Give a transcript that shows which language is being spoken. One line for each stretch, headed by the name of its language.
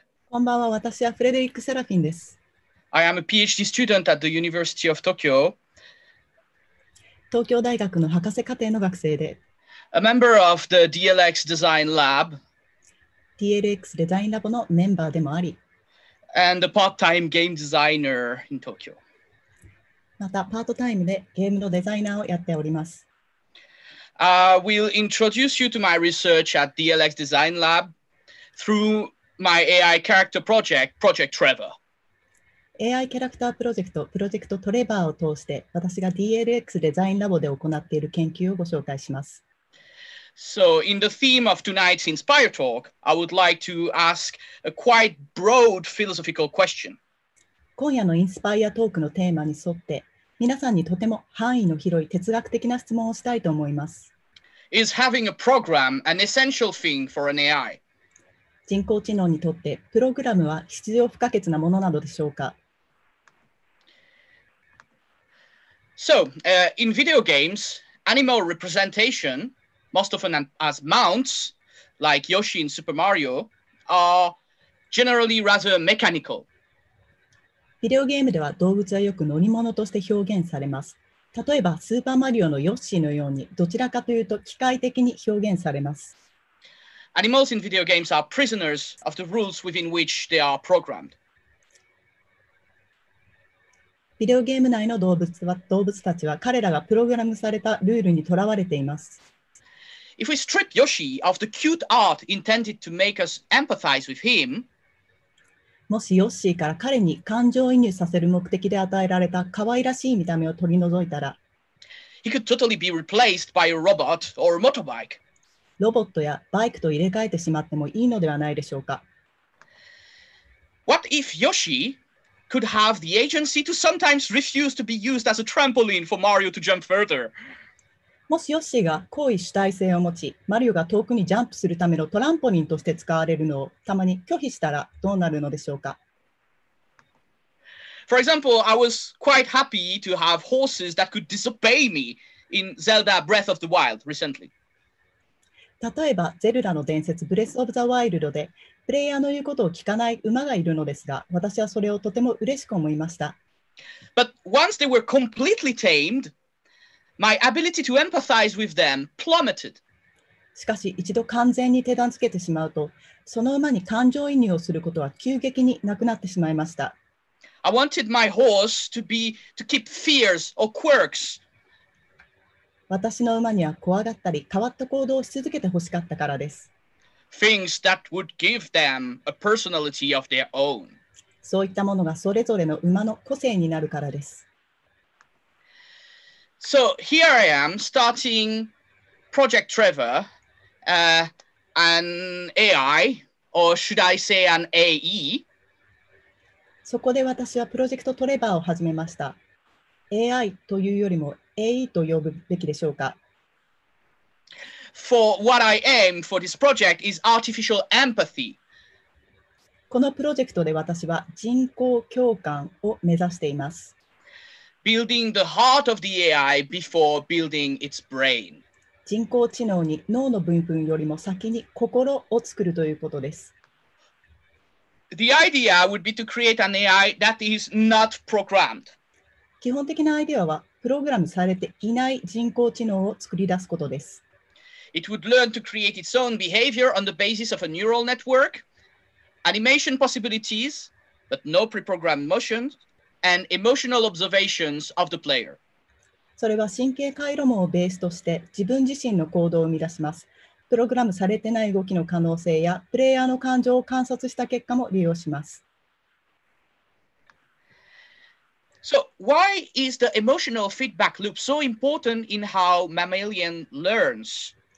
Japanese: こんばんは、私はフレデリック・セラフィンです。
English: I am a PhD student at the University of Tokyo.
Japanese: 東京大学の博士課程の学生で。
English: A member of the DLX Design Lab.
Japanese: DLX デザインラボのメンバーでもあり。
English: And a part-time game designer in Tokyo.
Japanese: また、パートタイムでゲームのデザイナーをやっております。
English: We'll introduce you to my research at DLX Design Lab through... My AI character project, Project Trevor.
Japanese: AI キャラクタープロジェクト、プロジェクトトレバーを通して、私が DLX デザインラボで行っている研究をご紹介します。
English: So, in the theme of tonight's Inspire Talk, I would like to ask a quite broad philosophical question.
Japanese: 今夜のインスパイアトークのテーマに沿って、皆さんにとても範囲の広い哲学的な質問をしたいと思います。
English: Is having a program an essential thing for an AI?
Japanese: 人工知能にとってプログラムは必要不可欠なものなのでしょうか。
English: So, in video games, animal representation, most often as mounts, like Yoshi in Super Mario, are generally rather mechanical.
Japanese: ビデオゲームでは動物はよく乗り物として表現されます。例えば、スーパーマリオのヨッシーのように、どちらかというと機械的に表現されます。
English: Animals in video games are prisoners of the rules within which they are programmed.
Japanese: ビデオゲーム内の動物たちは彼らがプログラムされたルールにとらわれています。
English: If we strip Yoshi of the cute art intended to make us empathize with him,
Japanese: もしヨッシーから彼に感情移入させる目的で与えられた可愛らしい見た目を取り除いたら、
English: he could totally be replaced by a robot or a motorbike.
Japanese: ロボットやバイクと入れ替えてしまってもいいのではないでしょうか。
English: What if Yoshi could have the agency to sometimes refuse to be used as a trampoline for Mario to jump further?
Japanese: もしヨッシーが行為主体性を持ち、マリオが遠くにジャンプするためのトランポリンとして使われるのをたまに拒否したらどうなるのでしょうか。
English: For example, I was quite happy to have horses that could disobey me in Zelda Breath of the Wild recently.
Japanese: 例えば、ゼルダの伝説、ブレス・オブ・ザ・ワイルドで、プレイヤーの言うことを聞かない馬がいるのですが、私はそれをとても嬉しく思いました。
English: But once they were completely tamed, my ability to empathize with them plummeted.
Japanese: しかし一度完全に手段つけてしまうと、その馬に感情移入をすることは急激になくなってしまいました。
English: I wanted my horse to be to keep fears or quirks.
Japanese: 私の馬には怖がったり変わった行動をし続けて欲しかったからです。
English: Things that would give them a personality of their own.
Japanese: そういったものがそれぞれの馬の個性になるからです。
English: So here I am starting Project Trevor, an AI, or should I say an AE?
Japanese: そこで私はプロジェクトトレバーを始めました。AI というよりも AE と呼ぶべきでしょうか。
English: For what I aim for this project is artificial empathy.
Japanese: このプロジェクトで私は人工共感を目指しています。
English: Building the heart of the AI before building its brain.
Japanese: 人工知能に脳の部分よりも先に心を作るということです。
English: The idea would be to create an AI that is not programmed.
Japanese: 基本的なアイデアはプログラムされていない人工知能を作り出すことです。
English: It would learn to create its own behavior on the basis of a neural network, animation possibilities, but no pre-programmed motions, and emotional observations of the player.
Japanese: それは神経回路網をベースとして自分自身の行動を生み出します。プログラムされてない動きの可能性やプレイヤーの感情を観察した結果も利用します。
English: So, why is the emotional feedback loop so important in how mammalian learns?